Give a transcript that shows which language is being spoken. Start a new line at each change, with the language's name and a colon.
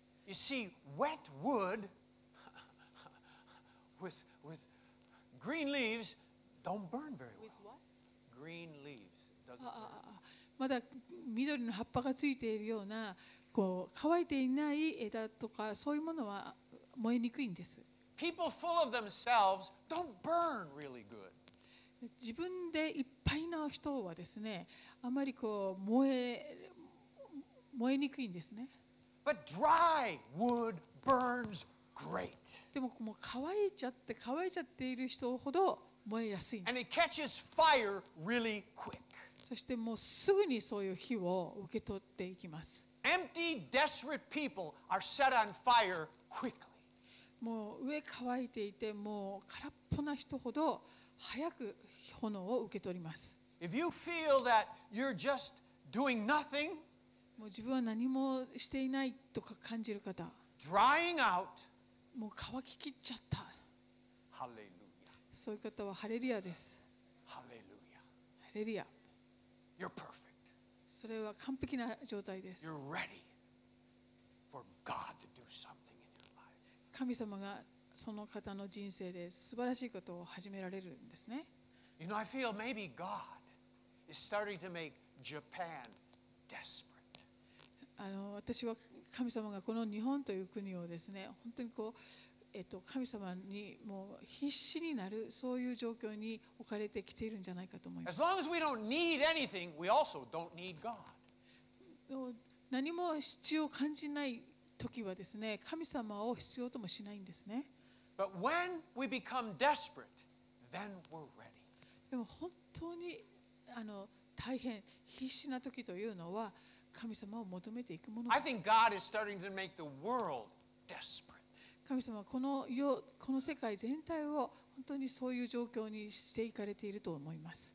English: You see, wet wood with green leaves don't burn very well. With what? Green leaves doesn't burn.
Japanese: まだ緑の葉っぱがついているようなこう乾いていない枝とかそういうものは燃えにくいんです。
English: People full of themselves don't burn really good.
Japanese: 自分でいっぱいの人はですね、あまりこう燃えにくいんですね。
English: But dry wood burns great.
Japanese: でも、もう乾いちゃっている人ほど燃えやすいんです。
English: And it catches fire really quick.
Japanese: そしてもうすぐにそういう火を受け取っていきます。
English: Empty, desperate people are set on fire quickly.
Japanese: もう上乾いていてもう空っぽな人ほど早く炎を受け取ります。
English: If you feel that you're just doing nothing,
Japanese: もう自分は何もしていないとか感じる方、
English: drying out,
Japanese: もう乾ききっちゃった。ハレルヤ。そういう方はハレルヤです。ハレルヤ。ハレルヤ。
English: You're perfect.
Japanese: それは完璧な状態です。
English: You're ready for God to do something.
Japanese: 神様がその方の人生で素晴らしいことを始められるんですね。
English: You know, I feel maybe God is starting to make Japan desperate.
Japanese: 私は神様がこの日本という国をですね、本当にこう、神様にもう必死になるそういう状況に置かれてきているんじゃないかと思います。
English: As long as we don't need anything, we also don't need God.
Japanese: 何も必要を感じない時はですね、神様を必要ともしないんですね。
English: But when we become desperate, then we're ready.
Japanese: でも本当に大変必死な時というのは神様を求めていくものです。
English: I think God is starting to make the world desperate.
Japanese: 神様はこの世界全体を本当にそういう状況にしていかれていると思います。